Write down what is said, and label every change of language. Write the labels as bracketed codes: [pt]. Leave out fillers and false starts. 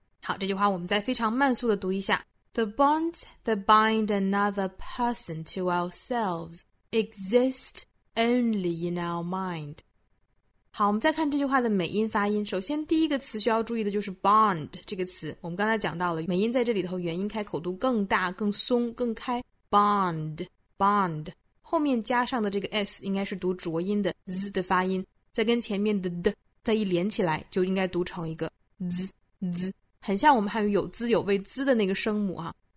[zh] 好，这句话我们再非常慢速的读一下。 [en] The bonds that bind another person to ourselves exist only in our mind. [zh] 好，我们再看这句话的美音发音。首先第一个词需要注意的就是 bond 这个词。我们刚才讲到了美音在这里头元音开口度更大更松更开。 [en] bond。 [zh] 后面加上的这个 s 应该是读浊音的 z 的发音，再跟前面的 d 再一连起来就应该读成一个 z, 很像我们汉语有滋有味滋的那个声母啊。